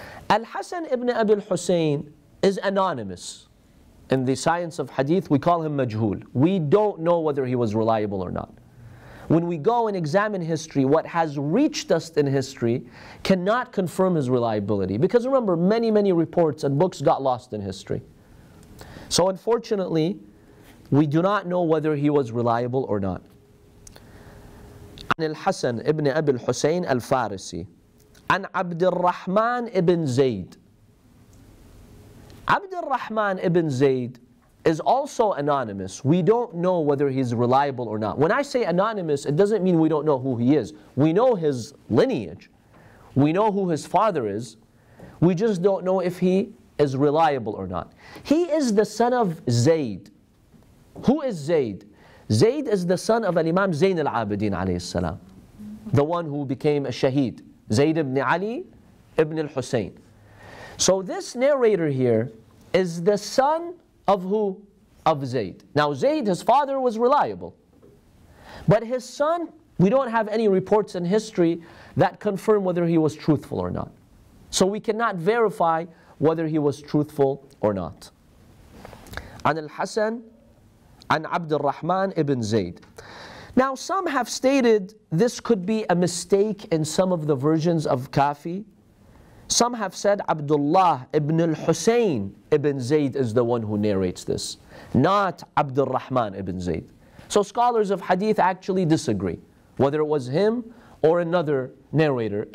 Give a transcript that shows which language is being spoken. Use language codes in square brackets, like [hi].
[ar] الحسن ابن أبي الحسين [en] is anonymous. In the science of hadith, we call him majhul. We don't know whether he was reliable or not. When we go and examine history, what has reached us in history cannot confirm his reliability. Because remember, many, many reports and books got lost in history. So unfortunately, we do not know whether he was reliable or not. [ar] عن الحسن ابن أبي الحسين الفارسي عن عبد الرحمن ابن زيد. عبد الرحمن ابن زيد [en] is also anonymous. We don't know whether he's reliable or not. When I say anonymous, it doesn't mean we don't know who he is. We know his lineage. We know who his father is. We just don't know if he is reliable or not. He is the son of Zayd. Who is Zayd? Zayd is the son of Imam Zayn al-Abidin alayhi salam, the one who became a shaheed. Zayd ibn Ali ibn al-Husayn. So this narrator here is the son of who? Of Zayd. Now Zayd, his father was reliable. But his son, we don't have any reports in history that confirm whether he was truthful or not. So we cannot verify whether he was truthful or not. [ar] عن الحسن عن عبد الرحمن ابن زيد. [en] Now some have stated this could be a mistake in some of the versions of Kafi. Some have said Abdullah ibn al-Husayn ibn Zayd is the one who narrates this, not Abdul Rahman ibn Zayd. So scholars of hadith actually disagree, whether it was him or another narrator.